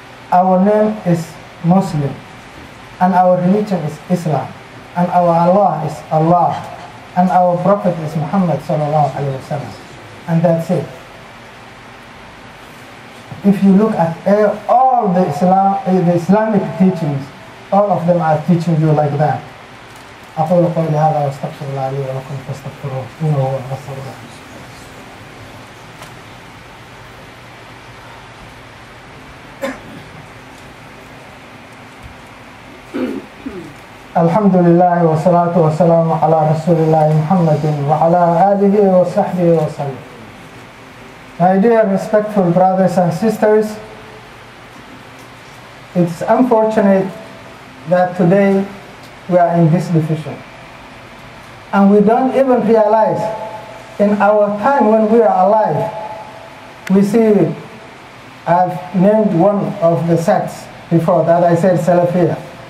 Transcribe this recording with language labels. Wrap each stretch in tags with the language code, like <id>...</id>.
<en>Our name is Muslim, and our religion is Islam, and our Allah is Allah, and our Prophet is Muhammad sallallahu alaihi wasallam. And that's it. If you look at all the Islamic teachings, all of them are teaching you like that.</en> <ar>أقول قولي هذا واستغفر الله لي ولكم فاستغفروه إنه هو الغفور الرحيم. الحمد لله والصلاة والسلام على رسول الله محمد وعلى آله وصحبه وسلم.</ar> <en>My dear respectful brothers and sisters, it's unfortunate that today we are in this division. And we don't even realize in our time when we are alive, we see, I've named one of the sects before that I said Salafiyah.</en>